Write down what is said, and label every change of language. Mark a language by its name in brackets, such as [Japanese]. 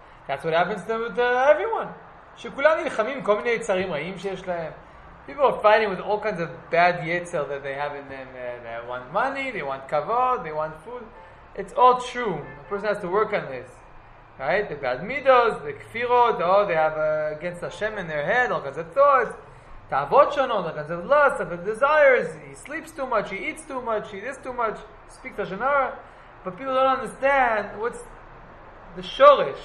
[English] That's what happens to everyone. [Hebrew] שכולם נלחמים עם כל מיני יצרים רעים שיש להם. [English] People are fighting with all kinds of bad yetzer that they have in them. They want money, they want kavod, they want food. It's all true. A person has to work on this. Right, the bad midos, the kfirot, they have against Hashem in their head, all kinds of thoughts, ta'avot shonot, all kinds of lust, all kinds of desires, he sleeps too much, he eats too much, he does too much, speaks Lashon Hara, but people don't understand what's the shoresh.